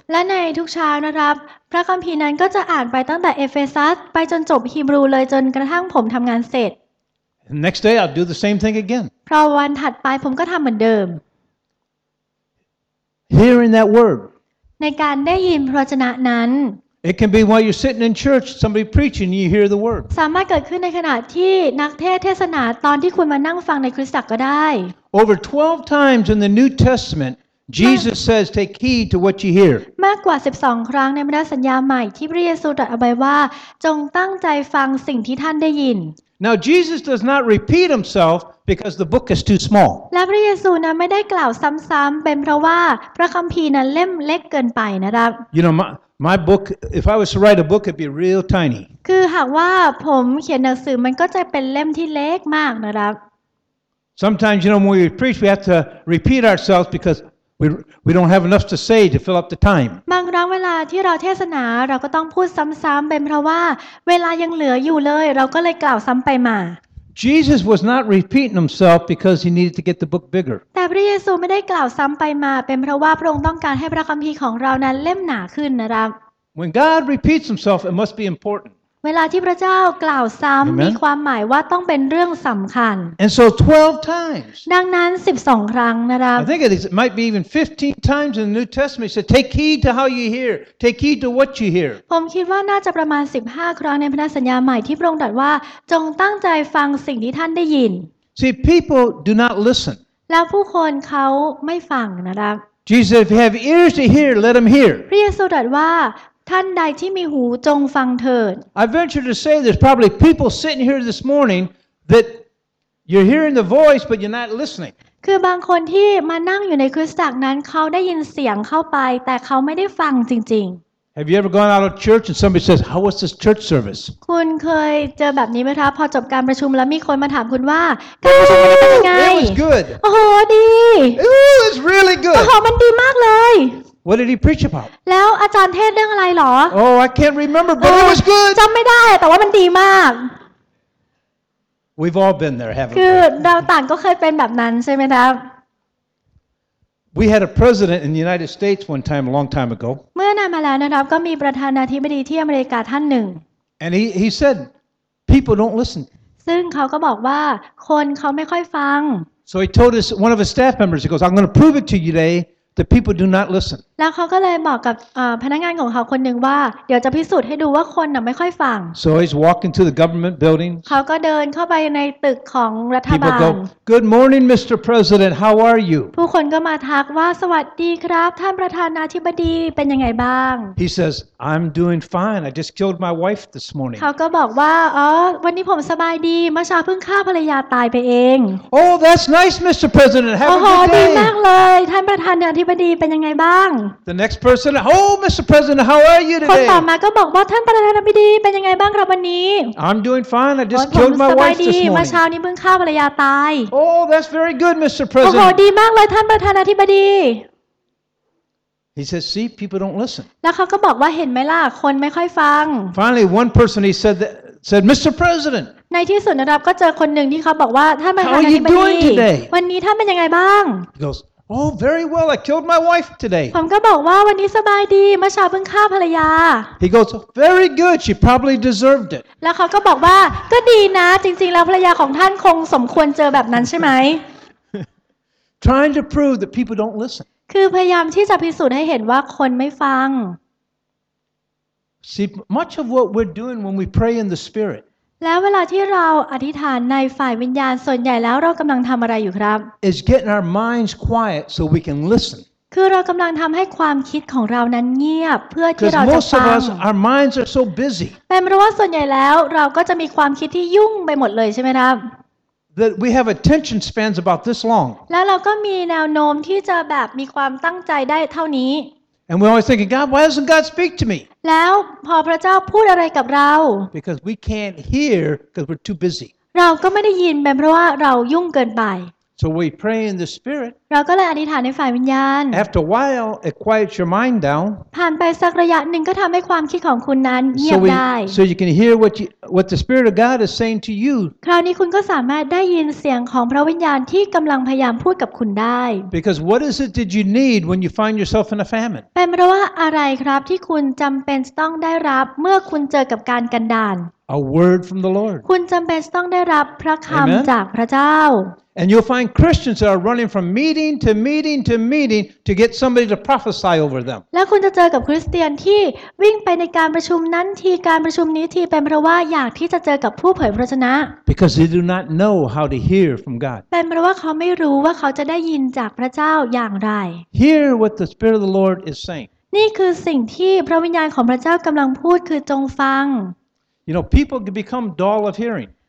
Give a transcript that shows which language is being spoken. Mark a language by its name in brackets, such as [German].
[Thai] และในทุกเช้านะครับพระคัมภีร์นั้นก็จะอ่านไปตั้งแต่เอเฟซัสไปจนจบฮีบรูเลยจนกระทั่งผมทำงานเสร็จ [English] Next day I'll do the same thing again. [Thai] พอวันถัดไปผมก็ทำเหมือนเดิม [English] Hearing that word. [Thai] ในการได้ยินพระวจนะนั้น [English] It can be while you're sitting in church, somebody preaching, you hear the word. [Thai] สามารถเกิดขึ้นในขณะที่นักเทศน์เทศนาตอนที่คุณมานั่งฟังในคริสตจักรก็ได้ [English] Over 12 times in the New Testament, Jesus says, "Take heed to what you hear." [Thai] มากกว่า12ครั้งในพระสัญญาใหม่ที่พระเยซูตรัสเอาไว้ว่าจงตั้งใจฟังสิ่งที่ท่านได้ยิน [English] Now Jesus does not repeat himself because the book is too small. [Thai] และพระเยซูนั้นไม่ได้กล่าวซ้ำๆเป็นเพราะว่าพระคัมภีร์นั้นเล่มเล็กเกินไปนะครับ [English] You know My book, if I was to write a book, it'd be real tiny. [Thai] คือหากว่าผมเขียนหนังสือมันก็จะเป็นเล่มที่เล็กมากนะครับ [English] Sometimes, you know, when we preach, we have to repeat ourselves because we don't have enough to say to fill up the time. [Thai] บางครั้งเวลาที่เราเทศนาเราก็ต้องพูดซ้ำๆเป็นเพราะว่าเวลายังเหลืออยู่เลยเราก็เลยกล่าวซ้ำไปมา [English] Jesus was not repeating himself because he needed to get the book bigger. [Thai] แต่พระเยซูไม่ได้กล่าวซ้ำไปมาเป็นเพราะว่าพระองค์ต้องการให้พระคัมภีร์ของเรานั้นเล่มหนาขึ้นนะครับ [English] When God repeats himself, it must be important. [Thai] เวลาที่พระเจ้ากล่าวซ้ำมีความหมายว่าต้องเป็นเรื่องสำคัญ [English] And so 12 times. [Thai] ดังนั้น12ครั้งนะครับ [English] I think it might be even 15 times in the New Testament. He said, "Take heed to how you hear. Take heed to what you hear." [Thai] ผมคิดว่าน่าจะประมาณ15ครั้งในพระสัญญาใหม่ที่พระองค์ตรัสว่าจงตั้งใจฟังสิ่งที่ท่านได้ยิน [English] See, people do not listen. [Thai] แล้วผู้คนเขาไม่ฟังนะครับ [English] Jesus said, "If you have ears to hear, let them hear." [Thai] พระเยซูตรัสว่าท่านใดที่มีหูจงฟังเถิด [English] I venture to say there's probably people sitting here this morning that you're hearing the voice but you're not listening. [Thai] คือบางคนที่มานั่งอยู่ในคริสตจักรนั้นเขาได้ยินเสียงเข้าไปแต่เขาไม่ได้ฟังจริงๆ [English] Have you ever gone out of church and somebody says, "How was this church service?" [Thai] คุณเคยเจอแบบนี้ไหมครับพอจบการประชุมแล้วมีคนมาถามคุณว่าการประชุมเป็นยังไง [English] It was good. [Thai] โอ้โหดี [English] It was really good. [Thai] โอ้โหมันดีมากเลย [English] What did he preach about? [Thai] แล้วอาจารย์เทศเรื่องอะไรหรอ [English] Oh, I can't remember, but it was good. [Thai] จำไม่ได้แต่ว่ามันดีมาก [English] We've all been there, haven't we? [Thai] คือเราต่างก็เคยเป็นแบบนั้นใช่ไหมครับ [English] We had a president in the United States one time, a long time ago. [Thai] เมื่อนานมาแล้วนะครับก็มีประธานาธิบดีที่อเมริกาท่านหนึ่ง [English] And he said, people don't listen. [Thai] ซึ่งเขาก็บอกว่าคนเขาไม่ค่อยฟัง [English] So he told us one of his staff members. He goes, "I'm going to prove it to you today that people do not listen." [Thai] แล้วเขาก็เลยบอกกับพนักงานของเขาคนหนึ่งว่าเดี๋ยวจะพิสูจน์ให้ดูว่าคนน่ะไม่ค่อยฟัง [English] So he's walking to the government building. [Thai] เขาก็เดินเข้าไปในตึกของรัฐบาล [English] People go, "Good morning, Mr. President. How are you?" [Thai] ผู้คนก็มาทักว่าสวัสดีครับท่านประธานาธิบดีเป็นยังไงบ้าง [English] He says, "I'm doing fine. I just killed my wife this morning." [Thai] เขาก็บอกว่าอ๋อวันนี้ผมสบายดีเมื่อเช้าเพิ่งฆ่าภรรยาตายไปเอง [English] Oh, that's nice, Mr. President. Have a good day. [Thai] ดีมากเลยท่านประธานาธิบดีเป็นยังไงบ้าง [English] The next person, "Oh, Mr. President, how are you today?" [Thai] คนต่อมาก็บอกว่าท่านประธานาธิบดีเป็นยังไงบ้างครับวันนี้ [English] I'm doing fine. I just killed my wife this morning. [Thai] ผมสบายดีเมื่อเช้านี้เพิ่งฆ่าภรรยาตาย [English] Oh, that's very good, Mr. President. [Thai] โอ้โหดีมากเลยท่านประธานาธิบดี [English] He says, "See, people don't listen." [Thai] แล้วเขาก็บอกว่าเห็นไหมล่ะคนไม่ค่อยฟัง [English] Finally, one person he said, "Mr. President." [Thai] ในที่สุดนะครับก็เจอคนหนึ่งที่เขาบอกว่าท่านประธาน าธิบดี วันนี้ท่านเป็นยังไงบ้าง [English] He goes. Oh, very well. I killed my wife today. [Thai] ผมก็บอกว่าวันนี้สบายดีเมื่อเช้าเพิ่งฆ่าภรรยา [English] He goes, "Very good. She probably deserved it." [Thai] แล้วเขาก็บอกว่าก็ดีนะจริงๆแล้วภรรยาของท่านคงสมควรเจอแบบนั้นใช่ไหม [English] Trying to prove that people don't listen. [Thai] คือพยายามที่จะพิสูจน์ให้เห็นว่าคนไม่ฟัง [English] See, much of what we're doing when we pray in the Spirit. [Thai] แล้วเวลาที่เราอธิษฐานในฝ่ายวิญญาณส่วนใหญ่แล้วเรากำลังทำอะไรอยู่ครับ [English] It's getting our minds quiet so we can listen [Thai] คือเรากำลังทำให้ความคิดของเรานั้นเงียบเพื่อที่เราจะฟั ง [English] Because most of us, our minds are so busy [Thai] เป็นเพราะว่าส่วนใหญ่แล้วเราก็จะมีความคิดที่ยุ่งไปหมดเลยใช่ไหมครับ [English] That we have attention spans about this long [Thai] แล้วเราก็มีแนวโน้มที่จะแบบมีความตั้งใจได้เท่านี้ [English] And we always think, "God, why doesn't God speak to me?" [Thai] แล้วพอพระเจ้าพูดอะไรกับเรา [English] Because we can't hear because we're too busy. [Thai] เราก็ไม่ได้ยินเป็นเพราะว่าเรายุ่งเกินไป [English] So we pray in the spirit. [Thai] เราก็เลยอธิษฐานในฝ่ายวิญญาณ [English] After a while, it quiets your mind down. [Thai] ผ่านไปสักระยะหนึ่งก็ทำให้ความคิดของคุณนั้นเงียบได้ [English] So you can hear what the Spirit of God is saying to you. [Thai] คราวนี้คุณก็สามารถได้ยินเสียงของพระวิญญาณที่กำลังพยายามพูดกับคุณได้ [English] Because what is it did you need when you find yourself in a famine? [Thai] เป็นเพราะว่าอะไรครับที่คุณจำเป็นต้องได้รับเมื่อคุณเจอกับการกันดาร [English] A word from the Lord. [Thai] คุณจำเป็นต้องได้รับพระคำจากพระเจ้า [English] And you'll find Christians that are running from meeting to meeting to meeting to get somebody to prophesy over them. [Thai] แล้วคุณจะเจอกับคริสเตียนที่วิ่งไปในการประชุมนั้นทีการประชุมนี้ทีเป็นเพราะว่าอยากที่จะเจอกับผู้เผยพระชนะ [English] Because they do not know how to hear from God. [Thai] เป็นเพราะว่าเขาไม่รู้ว่าเขาจะได้ยินจากพระเจ้าอย่างไร [English] Hear what the Spirit of the Lord is saying. [Thai] นี่คือสิ่งที่พระวิญญาณของพระเจ้ากำลังพูดคือจงฟัง [English] You know, people can become dull of hearing.